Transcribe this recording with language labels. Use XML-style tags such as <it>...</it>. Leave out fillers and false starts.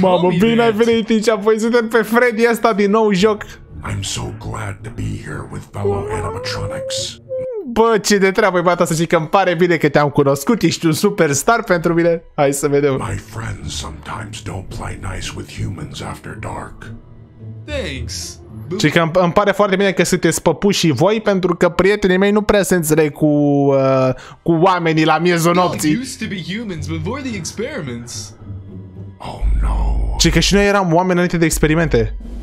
<ro>Mamă, bine ai venit aici, voi suntem pe Freddy ăsta din nou joc.</ro> <en>I'm so glad to be here with fellow animatronics.</en> <ro>Bă, ce de treabă e bata să zic că îmi pare bine că te-am cunoscut, ești un superstar pentru mine. Hai să vedem.</ro> <en>My friends sometimes don't play nice with humans after dark. Thanks.</en> <ro>Și că îmi pare foarte bine că sunteți păpuși și voi, pentru că prietenii mei nu prea se înțeleg cu oamenii la miezul nopții.</ro> <en>Used to be humans before the experiments. Oh no.</en> <ro>Și că și noi eram oameni înainte de experimente.</ro>